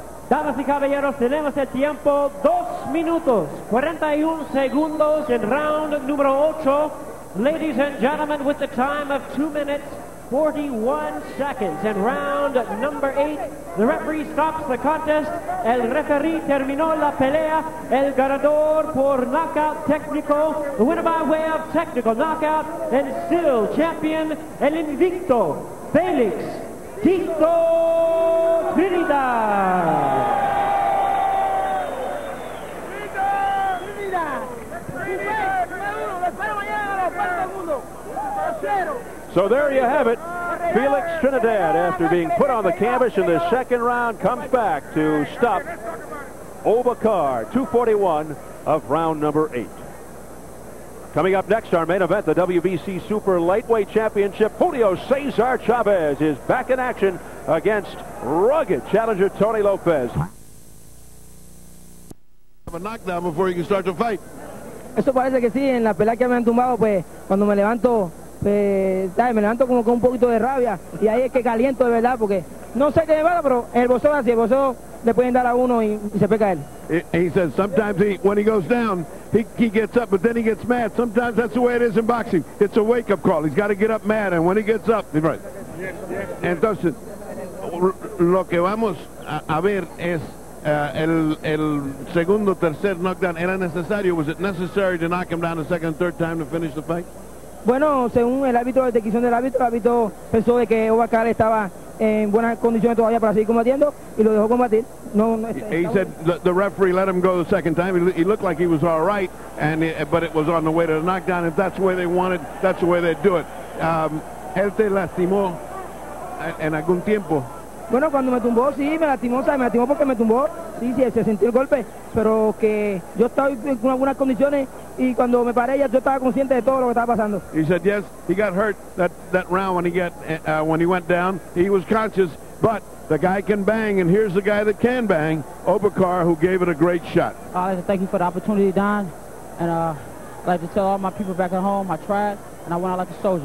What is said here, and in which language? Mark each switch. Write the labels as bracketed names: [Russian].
[Spanish] Damas y caballeros, tenemos el tiempo 2 minutos 41 segundos in round número 8. [English] Ladies and gentlemen, with the time of 2 minutes 41 seconds in round number 8, the referee stops the contest. [Spanish] El referee terminó la pelea. El ganador por knockout técnico, [English] the winner by way of technical knockout, and still champion, [Spanish] el invicto, Felix Tito Trinidad. [English] So there you have it. Felix Trinidad, after being put on the canvas in the second round, comes back to stop Oba Carr, 241 of round number 8. Coming up next, our main event, the WBC Super Lightweight Championship. Julio Cesar Chavez is back in action against rugged challenger Tony Lopez. Have a knockdown before you can start the fight. [Spanish] Eso parece que sí, en la pelea que me han tumbado, pues, cuando me levanto, pues, me levanto como con un poquito de rabia, y ahí es que caliento de verdad, porque no sé qué me pasa, pero el boxeo así, el boxeo le pueden dar a uno y se pega él. [English] He says sometimes when he goes down, he gets up, but then he gets mad. Sometimes that's the way it is in boxing. It's a wake-up call. He's got to get up mad, and when he gets up, he's right. [Spanish] Entonces, lo que vamos a ver es el segundo, tercer knockdown. ¿Era necesario? [English] Was it necessary to knock him down a second, third time to finish the fight? [Spanish] Bueno, según el árbitro, la decisión del árbitro, el árbitro pensó de que Oba Carr estaba en buenas condiciones todavía para seguir combatiendo y lo dejó combatir. [English] He said the referee let him go the second time. He looked like he was all right, but it was on the way to the knockdown. If that's the way they wanted, that's the way they'd do it. [Spanish] ¿Él te lastimó en algún tiempo? Bueno, cuando me tumbó, sí, me lastimó, ¿sabes? Me lastimó porque me tumbó. Sí, sí, se sintió el golpe, pero que yo estaba con algunas condiciones y cuando me paré ya yo estaba consciente de todo lo que estaba pasando. [English] He said yes, he got hurt that round when he got when he went down. He was conscious, but the guy can bang, and here's the guy that can bang, Oba Carr, who gave it a great shot. Thank you for the opportunity, Don, and I'd like to tell all my people back at home I tried, and I went out like a soldier.